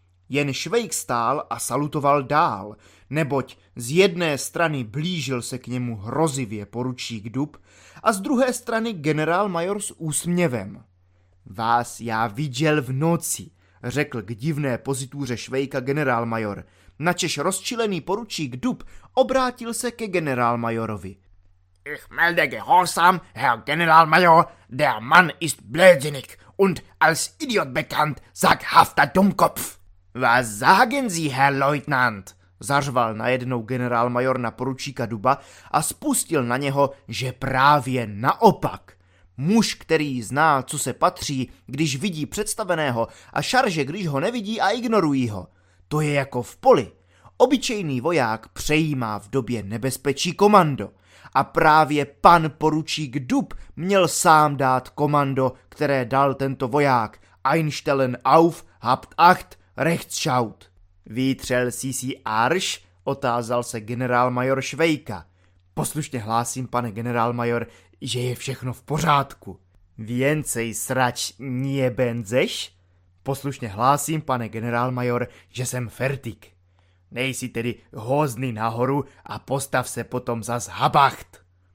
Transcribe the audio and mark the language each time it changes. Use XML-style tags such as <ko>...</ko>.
<cs>Jen Švejk stál a salutoval dál, neboť z jedné strany blížil se k němu hrozivě poručík Dub a z druhé strany generálmajor s úsměvem. Vás já viděl v noci, řekl k divné pozituře Švejka generálmajor, načež rozčilený poručík Dub obrátil se ke generálmajorovi.</cs> <de>Ich melde gehorsam, Herr Generalmajor, der Mann ist blödsinnig und als Idiot bekannt, saghafter Dummkopf. Was sagen Sie, Herr Leutnant?</de> <cs>Zařval najednou generálmajor na poručíka Duba a spustil na něho, že právě naopak. Muž, který zná, co se patří, když vidí představeného a šarže, když ho nevidí a ignorují ho. To je jako v poli. Obyčejný voják přejímá v době nebezpečí komando. A právě pan poručík Dub měl sám dát komando, které dal tento voják.</cs> <de>Einstellen auf, habt acht, rechtschaut.</de> <cs>Vytřel jsi si arš? Otázal se generálmajor Švejka. Poslušně hlásím, pane generálmajor, že je všechno v pořádku. Věncej srač niebenzeš? Poslušně hlásím, pane generálmajor, že jsem fertik. Nejsi tedy hozný nahoru a postav se potom zas habacht.</cs>